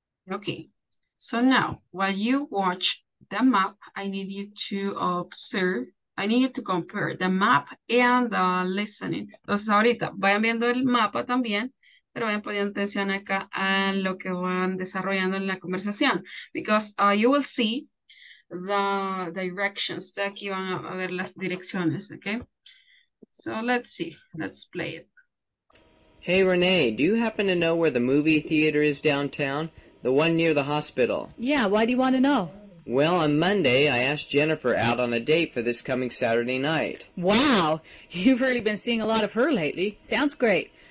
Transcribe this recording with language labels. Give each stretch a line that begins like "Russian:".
English: Okay, so now while you watch the map, I need you to observe. I need you to compare the map and the listening.
Spanish: Entonces ahorita vayan viendo el mapa también, pero vayan poniendo atención acá a lo que van desarrollando en la conversación.
English: Because you will see the directions.
Spanish: De aquí van a ver las direcciones, okay?
English: So let's see. Let's play it. Hey Renee, do you happen to know where the movie theater is downtown? The one near the hospital. Yeah, why do you want to know? Well, on Monday, I asked Jennifer out on a date for this coming Saturday night. Wow, you've really been seeing a lot of her lately. Sounds great.